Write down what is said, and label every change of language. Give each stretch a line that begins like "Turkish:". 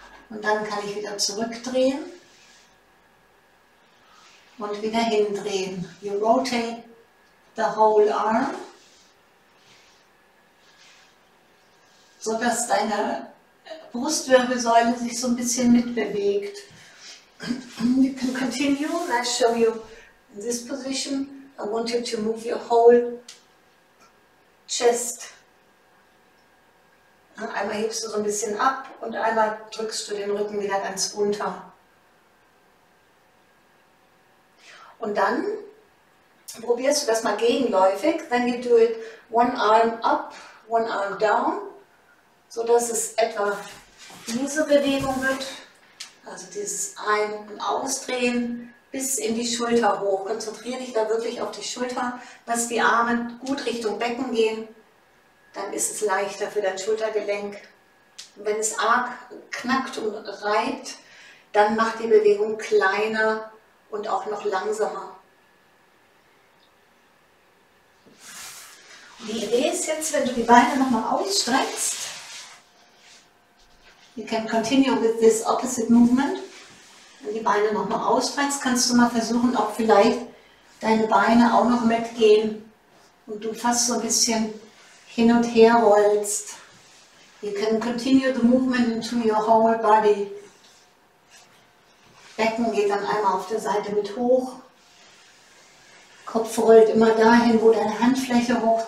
German: Und dann kann ich wieder zurückdrehen. Und wieder hindrehen.
English: You rotate the whole arm.
German: So dass deine Brustwirbelsäule sich so ein bisschen mitbewegt.
English: You can continue and I show you in this position. I want you to move your whole chest.
German: Einmal hebst du so ein bisschen ab und einmal drückst du den Rücken wieder ganz runter. Und dann probierst du das mal gegenläufig.
English: Then you do it one arm up, one arm down.
German: So dass es etwa diese Bewegung wird, also dieses Ein- und Ausdrehen bis in die Schulter hoch. Konzentriere dich da wirklich auf die Schulter, dass die Arme gut Richtung Becken gehen. Dann ist es leichter für dein Schultergelenk. Und wenn es arg knackt und reibt, dann mach die Bewegung kleiner und auch noch langsamer. Und die Idee ist jetzt, wenn du die Beine nochmal ausstreckst,
English: you can continue with this opposite movement,
German: wenn die Beine nochmal ausstreckst, kannst du mal versuchen, ob vielleicht deine Beine auch noch mitgehen und du fast so ein bisschen hin und her rollst.
English: You can continue the movement into your whole body.
German: Becken geht dann einmal auf der Seite mit hoch. Kopf rollt immer dahin, wo deine Handfläche hoch